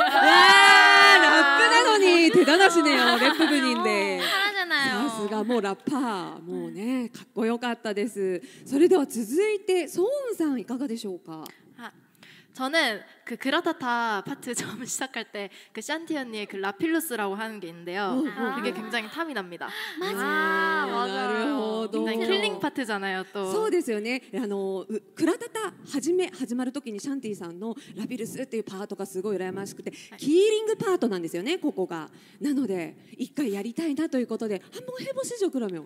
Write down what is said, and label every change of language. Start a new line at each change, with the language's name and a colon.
Korean: 와, 랩하더니 대단하시네요. 랩 부분인데. 사스가 뭐 랩파. 뭐 네,
Japanese: かっこよかったです.それでは続いて 소은 씨 いかがでしょうか?
Korean: 저는 그 그라타타 파트 처음 시작할 때 그 샨티 언니의 그 라필루스라고 하는 게 있는데요. 그게 굉장히 탐이 납니다. 맞아요. 굉장히 킬링 파트잖아요. 또.
Japanese: そうですよね. あのクラタタ始まる時に シャンティさんのラピルスっていうパートがすごい羨ましくて キーリングパートなんですよね. ここが。なので一回やりたいなということで
Korean: 한번 해보시죠 그러면.